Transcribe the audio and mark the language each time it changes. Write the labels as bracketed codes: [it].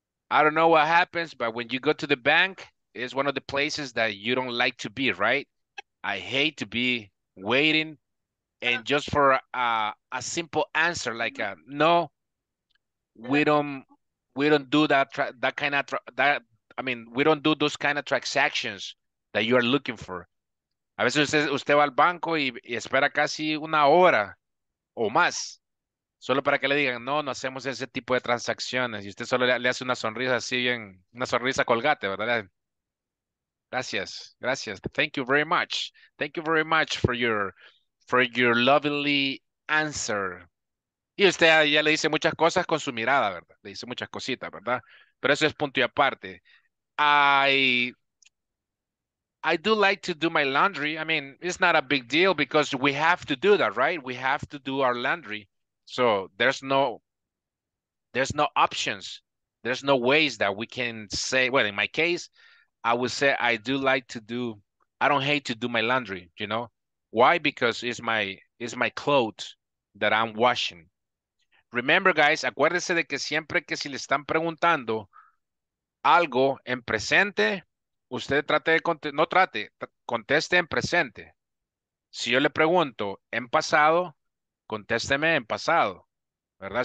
[en] I don't know what happens, but when you go to the bank, it's one of the places that you don't like to be, right? I hate to be waiting. And just for a simple answer, like a no, we don't do those kind of transactions that you are looking for. [es] A veces usted va al banco y espera casi una hora o más, solo para que le digan, no, no hacemos ese tipo de transacciones. Y usted solo le hace una sonrisa así bien, una sonrisa colgate, ¿verdad? Gracias, gracias. [en] Thank you very much. Thank you very much for your lovely answer. [es] Y usted ya le dice muchas cosas con su mirada, ¿verdad? Le dice muchas cositas, ¿verdad? Pero eso es punto y aparte. [en] I do like to do my laundry. I mean, it's not a big deal because we have to do that, right? We have to do our laundry. So there's no options. There's no ways that we can say, well, in my case, I would say I don't hate to do my laundry, you know? Why? Because it's my clothes that I'm washing. Remember, guys, [es] acuérdense de que siempre que si le están preguntando algo en presente, usted trate de conteste en presente. Si yo le pregunto en pasado, contésteme en pasado, ¿verdad?